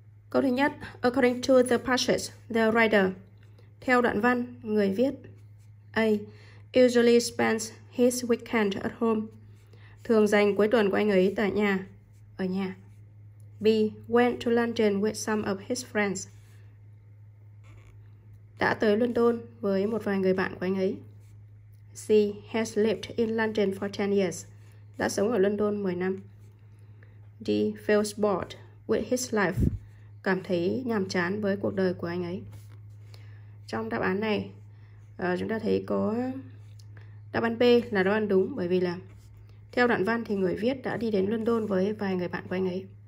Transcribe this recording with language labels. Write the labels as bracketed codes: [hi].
[vi] Câu thứ nhất, [en] according to the passage, the writer. [vi] Theo đoạn văn, người viết. A. [en] Usually spends his weekend at home. [vi] Thường dành cuối tuần của anh ấy tại nhà, ở nhà. B. [en] Went to London with some of his friends. [vi] Đã tới London với một vài người bạn của anh ấy. [en] C. Has lived in London for 10 years. [vi] Đã sống ở London 10 năm. [en] D. Feels bored with his life. [vi] Cảm thấy nhàm chán với cuộc đời của anh ấy. Trong đáp án này, chúng ta thấy có đáp án B là đáp án đúng bởi vì là theo đoạn văn thì người viết đã đi đến London với vài người bạn của anh ấy.